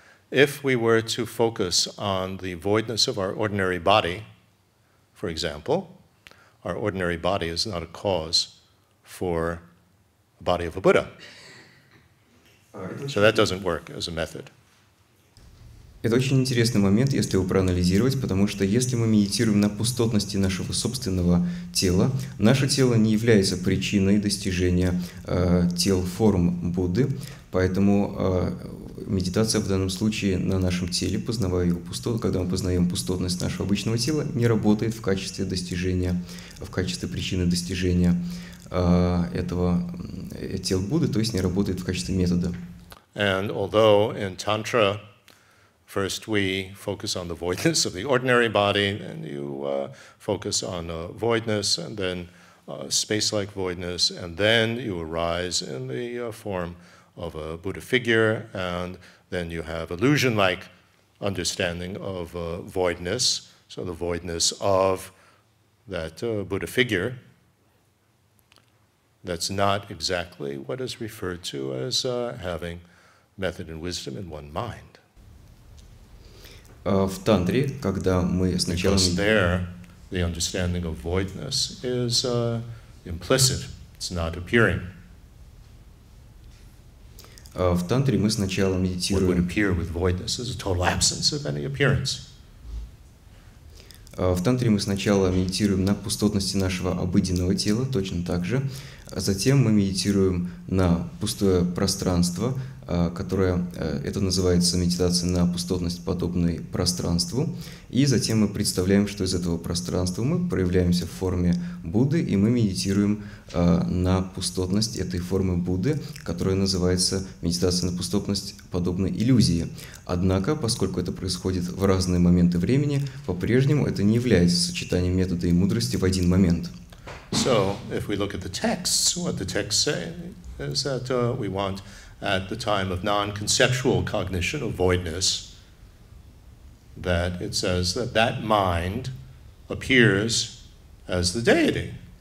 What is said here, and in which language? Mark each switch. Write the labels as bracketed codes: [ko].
[en] If we were to focus on the voidness of our ordinary body, for example, our ordinary body is not a cause for the body of a Buddha. So that doesn't work as a method. [ru] Это очень интересный момент, если его проанализировать, потому что если мы медитируем на пустотности нашего собственного тела, наше тело не является причиной достижения тел форм Будды, поэтому медитация в данном случае на нашем теле, познавая его пустоту, когда мы познаем пустотность нашего обычного тела, не работает в качестве достижения, в качестве причины достижения этого тел Будды, то есть не работает в качестве метода. [en] And although in Tantra first we focus on the voidness of the ordinary body, and you focus on voidness, and then space-like voidness, and then you arise in the form of a Buddha figure, and then you have illusion-like understanding of voidness, so the voidness of that Buddha figure. That's not exactly what is referred to as having method and wisdom in one mind. [ru] В тантре, когда мы сначала... [en] Because there, the understanding of voidness is implicit, it's not appearing. [ru] В тантре мы сначала медитируем... [en] What would appear with voidness is a total absence of any appearance. [ru] В тантре мы сначала медитируем на пустотности нашего обыденного тела, точно так же. Затем мы медитируем на пустое пространство, которое, это называется медитация на пустотность, подобной пространству. И затем мы представляем, что из этого пространства мы проявляемся в форме Будды, и мы медитируем на пустотность этой формы Будды, которая называется медитация на пустотность, подобной иллюзии. Однако, поскольку это происходит в разные моменты времени, по-прежнему это не является сочетанием метода и мудрости в один момент. [en] So, if we look at the texts, what the texts say is that we want at the time of non-conceptual cognition of voidness, that it says that that mind appears as the deity.